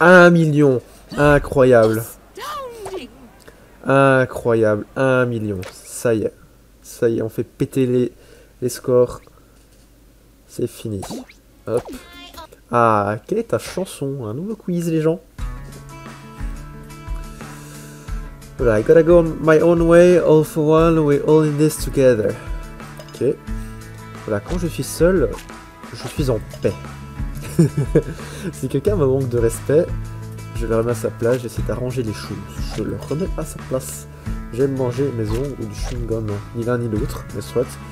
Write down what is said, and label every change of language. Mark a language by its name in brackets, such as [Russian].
[French] Million, incroyable, incroyable, 1 million, ça y est, on fait péter les scores, c'est fini, hop. Ah, quelle est ta chanson? Un nouveau quiz, les gens. [English] Well, I gotta go my own way, all for one, we're all in this together. [French] Ok, voilà, quand je suis seul, je suis en paix. Si quelqu'un me manque de respect, je le remets à sa place, j'essaie d'arranger les choses. Je le remets à sa place. J'aime manger mes ongles ou du chewing-gum, ni l'un ni l'autre, mais soit.